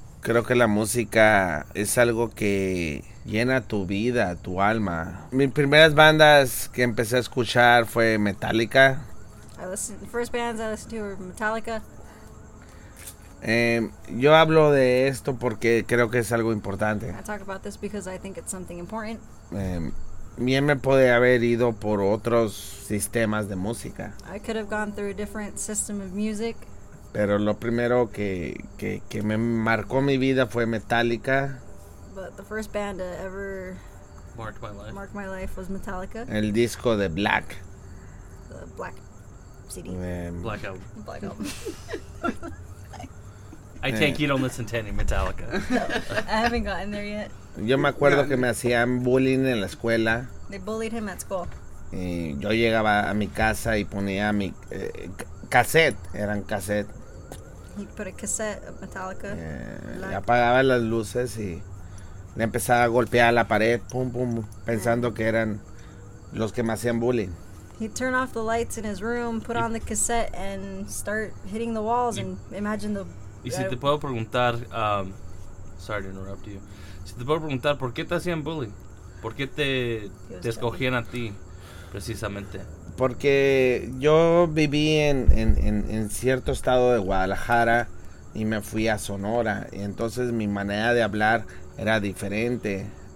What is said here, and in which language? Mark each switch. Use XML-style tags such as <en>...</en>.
<es>Creo que la música es algo que llena tu vida, tu alma. Mis primeras bandas que empecé a escuchar fue Metallica.</es> <en>The first bands I listened to were Metallica.</en> <es>Yo hablo de esto porque creo que es algo importante.</es> <en>I talk about this because I think it's something important.</en> <es>Bien me puede haber ido por otros sistemas de música.</es> <en>I could have gone through a different system of music.</en> <es>Pero lo primero que me marcó mi vida fue Metallica.</es> <en>But the first band to ever marked my life was Metallica.</en> <es>El disco de Black.</es> <en>The Black CD. Black album. Black album. I take you don't listen to any Metallica. No, I haven't gotten there yet.</en> <es>Yo me acuerdo que me hacían bullying en la escuela.</es> <en>They bullied him at school.</en> <es>Y yo llegaba a mi casa y ponía mi... cassette, eran cassette.</es> <en>He put a cassette of Metallica.</en> <es>Y apagaba las luces y le empezaba a golpear la pared, pum pum, pensando que eran los que me hacían bullying.</es> <en>He turned off the lights in his room, put on the cassette and start hitting the walls and imagine the...</en> <es>Y si te puedo preguntar, sorry to interrupt you. Si te puedo preguntar, ¿por qué te hacían bullying? ¿Por qué te escogían a ti, precisamente? Porque yo viví en cierto estado de Guadalajara y me fui a Sonora. Y entonces mi manera de hablar era diferente.</es>